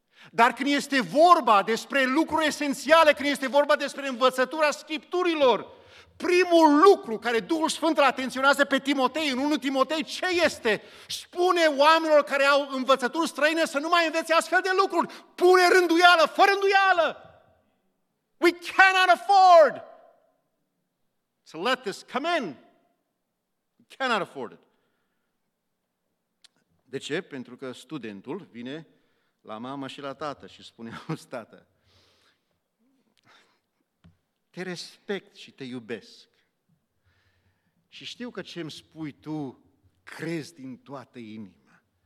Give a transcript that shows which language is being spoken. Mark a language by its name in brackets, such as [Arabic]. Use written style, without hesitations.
[Romanian] Dar când este vorba despre lucruri esențiale, când este vorba despre învățătura Scripturilor, primul lucru care Duhul Sfânt îl atenționează pe Timotei, în 1 Timotei, ce este? Spune oamenilor care au învățături străine să nu mai învețe astfel de lucruri. Pune rânduială, fără rânduială! [English] We cannot afford to let this come in. We cannot afford it. [Romanian] De ce? Pentru că studentul vine la mama și la tată și spune, auzi, tată, te respect și te iubesc. Și știu că ce-mi spui tu, crezi din toată inima.